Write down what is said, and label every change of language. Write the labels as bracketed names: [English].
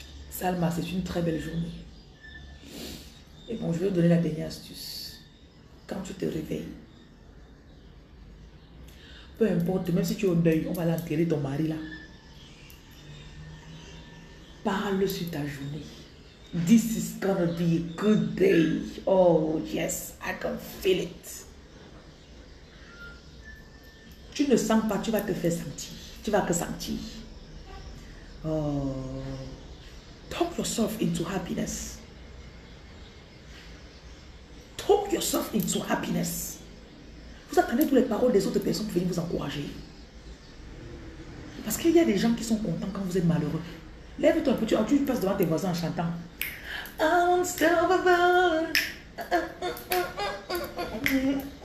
[French] Salma, c'est une très belle journée. Et bon, je vais te donner la dernière astuce. Quand tu te réveilles, peu importe, même si tu es au deuil, on va l'enterrer ton mari là. Parle sur ta journée. [English] This is gonna be a good day. Oh yes, I can feel it. [French] Tu ne sens pas, tu vas te faire sentir. Tu vas que sentir. Oh. [English] Talk yourself into happiness. Talk yourself into happiness. [French] Vous attendez toutes les paroles des autres personnes pour venir vous encourager. Parce qu'il y a des gens qui sont contents quand vous êtes malheureux. Lève-toi un peu, tu passes devant tes voisins en chantant. Unstoppable. Mm-hmm.